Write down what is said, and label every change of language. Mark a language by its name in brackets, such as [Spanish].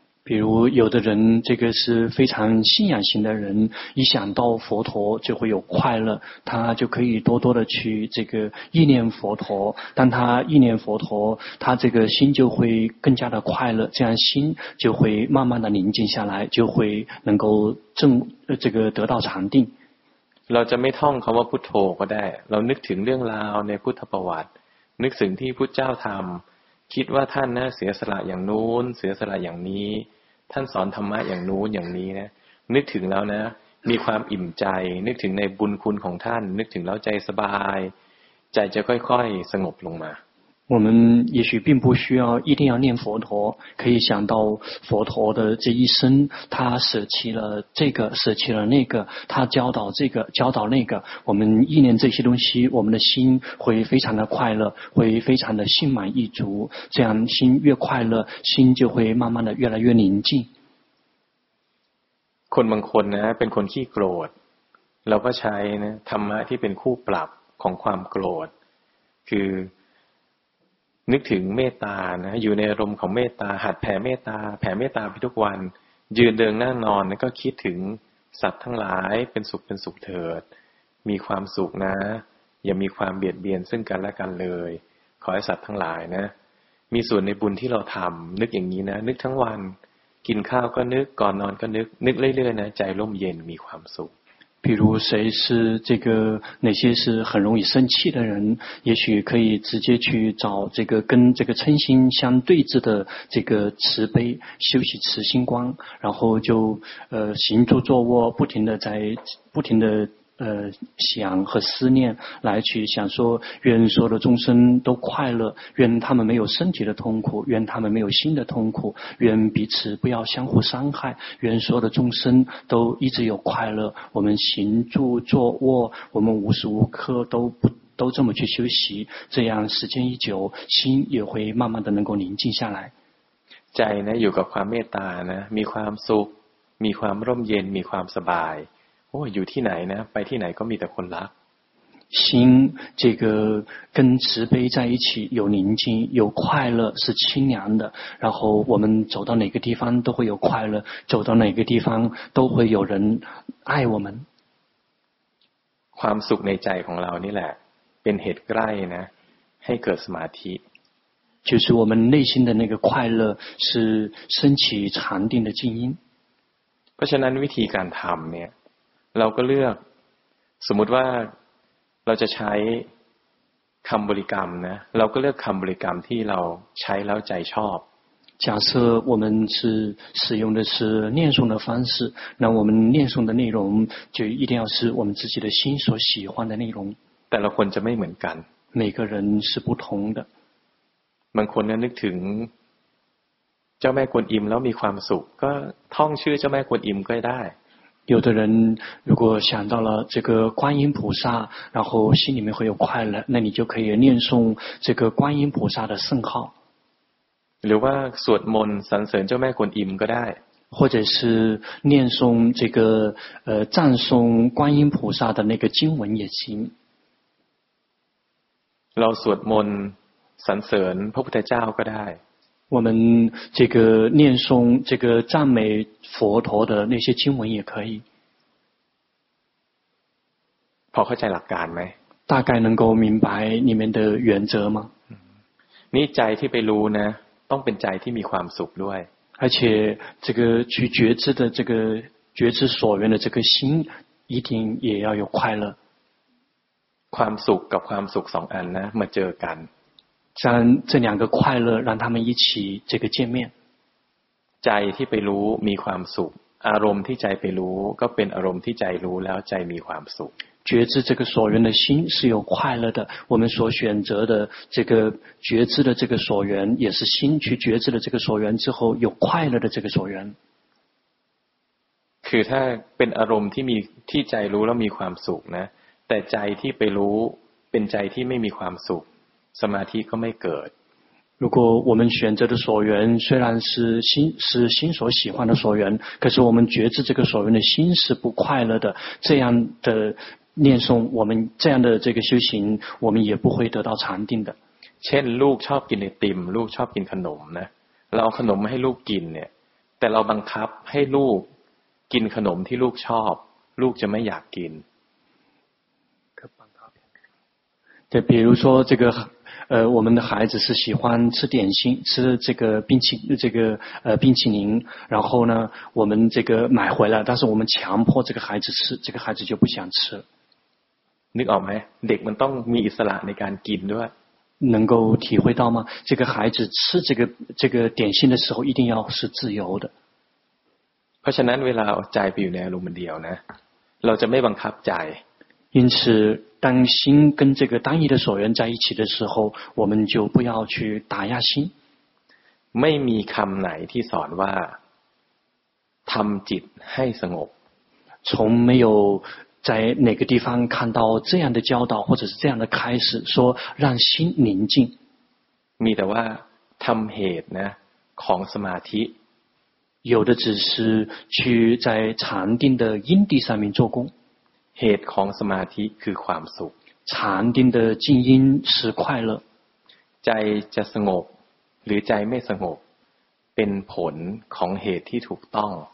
[Chinese] 比如有的人这个是非常信仰型的人一想到佛陀就会有快乐他就可以多多的去这个意念佛陀当他意念佛陀他这个心就会更加的快乐这样心就会慢慢的宁静下来就会能够正这个得到禅定 [Thai] เราจะไม่ท่องคำว่าพุทโธก็ได้เรานึกถึงเรื่องราวในพุทธประวัตินึกถึงที่พุทธเจ้าทำคิดว่าท่านนะเสียสละอย่างนู้นเสียสละอย่างนี้ท่านสอนธรรมะอย่างนู้นอย่างนี้นะนึกถึงแล้วนะมีความอิ่มใจนึกถึงในบุญคุณของท่านนึกถึงแล้วใจสบายใจจะค่อยๆสงบลงมา [Chinese] 我们也许并不需要一定要念佛陀可以想到佛陀的这一生他舍弃了这个舍弃了那个他教导这个教导那个我们意念这些东西我们的心会非常的快乐会非常的心满意足这样心越快乐心就会慢慢的越来越宁静 [Thai] คนบางคนนะเป็นคนขี้โกรธเราก็ใช้นะธรรมะที่เป็นคู่ปรับของความโกรธคือนึกถึงเมตตานะอยู่ในอารมณ์ของเมตตาหัดแผ่เมตตาแผ่เมตตาไปทุกวันยืนเดินนั่งนอนก็คิดถึงสัตว์ทั้งหลายเป็นสุขเป็นสุขเถิดมีความสุขนะ อย่ามีความเบียดเบียนซึ่งกันและกันเลยขอให้สัตว์ทั้งหลายนะมีส่วนในบุญที่เราทำนึกอย่างนี้นะนึกทั้งวันกินข้าวก็นึกก่อนนอนก็นึกนึกเรื่อยๆนะใจร่มเย็นมีความสุข [Chinese] 比如谁是这个哪些是很容易生气的人也许可以直接去找这个跟这个嗔心相对峙的这个慈悲修习慈心观然后就行住坐卧不停的在不停的想和思念来去想说愿所有的众生都快乐愿他们没有身体的痛苦愿他们没有心的痛苦愿彼此不要相互伤害愿所有的众生都一直有快乐我们行住坐卧我们无时无刻都这么去休息这样时间一久心也会慢慢的能够宁静下来 [Thai] ใจ [Chinese] 呢有个 [Thai] ความเมตตานะมีความสุขมีความร่มเย็นมีความสบายโอ้อยู่ที่ไหนนะไปที่ไหนก็มีแต่คนรัก [Chinese] 心这个跟慈悲在一起有宁静有快乐是清凉的然后我们走到哪个地方都会有快乐走到哪个地方都会有人爱我们 [Thai] ความสุขในใจของเรานี่แหละเ ป็นเหตุใกล้นะให้เกิดสมาธิ [Chinese] 就是我们内心的那个快乐是升起禅定的静音 [Thai] เพราะฉะนั้นวิธีการทำเนี่ยเราก็เลือกสมมติว่าเราจะใช้คำบริกรรมนะเราก็เลือกคำบริกรรมที่เราใช้แล้วใจชอบ [Chinese] 假设我们是使用的是念诵的方式那我们念诵的内容就一定要是我们自己的心所喜欢的内容 [Thai] แต่ละคนจะไม่เหมือนกัน [Chinese] 每个人是不同的 [Thai] บางคนนึกถึงเจ้าแม่กวนอิมแล้วมีความสุขก็ท่องชื่อเจ้าแม่กวนอิมก็ได้ [Chinese] 有的人如果想到了这个观音菩萨然后心里面会有快乐那你就可以念诵这个观音菩萨的圣号 [Thai] หรือว่าสวดมนต์สรรเสริญเจ้าแม่กวนอิมก็ได้ [Chinese] 或者是念诵这个赞颂观音菩萨的那个经文也行 [Thai] เราสวดมนต์สรรเสริญพระพุทธเจ้าก็ได้ [Chinese] 我们这个念诵这个赞美佛陀的那些经文也可以 [Thai] พอเข้าใจหลักการไหม [Chinese] 大概能够明白里面的原则吗 [Thai] นี่ใจที่ไปรู้นะต้องเป็นใจที่มีความสุขด้วย [Chinese] 而且这个去觉知的这个觉知所缘的这个心一定也要有快乐 [Thai] ความสุขกับความสุขสองอันนะมาเจอกัน [Chinese] 这两个快乐让他们一起这个见面 [Thai] ใจที่ไปรู้มีความสุขอารมณ์ที่ใจไปรู้ก็เป็นอารมณ์ที่ใจรู้แล้วใจมีความสุข [Chinese] 觉知这个所缘的心是有快乐的我们所选择的这个觉知的这个所缘也是心去觉知的这个所缘之后有快乐的这个所缘 [Thai] คือถ้าเป็นอารมณ์ที่มีที่ใจรู้แล้วมีความสุขนะแต่ใจที่ไปรู้เป็นใจที่ไม่มีความสุขสมาธิก็ไม่เกิด [Chinese] 如果我们选择的所缘虽然是心是心所喜欢的所缘可是我们觉知这个所缘的心是不快乐的这样的念诵我们这样的这个修行我们也不会得到禅定的 [Thai] เช่นลูกชอบกินไอติมลูกชอบกินขนมนะเราเอาขนมให้ลูกกินเนี่ยแต่เราบังคับให้ลูกกินขนมที่ลูกชอบลูกจะไม่อยากกิน [Chinese] 对比如说这个我们的孩子是喜欢吃点心吃这个冰淇淋这个冰淇淋然后呢我们这个买回来但是我们强迫这个孩子吃这个孩子就不想吃 [Thai] นึกออกไหมเด็กมันต้องมีอิสระในการกินด้วย [Chinese] 能够体会到吗这个孩子吃这个点心的时候一定要是自由的 [Thai] เพราะฉะนั้นเวลาใจไปอยู่ในอารมณ์เดียวนะเราจะไม่บังคับใจ [Chinese] 因此当心跟这个单一的所缘在一起的时候我们就不要去打压心 [Thai] ไม่มีคำไหนที่สอนว่าทำจิตให้สงบ [Chinese] 从没有在哪个地方看到这样的教导或者是这样的开始说让心宁静 [Thai] มีแต่ว่าทำเหตุนะของสมาธิ [Chinese] 有的只是去在禅定的因地上面做工 [Thai] เหตุของสมาธิคือความสุข [Chinese] ฌานดินเดอจินยิน是快乐 [Thai] ใจจะสงบหรือใจไม่สงบเป็นผลของเหตุที่ถูกต้อง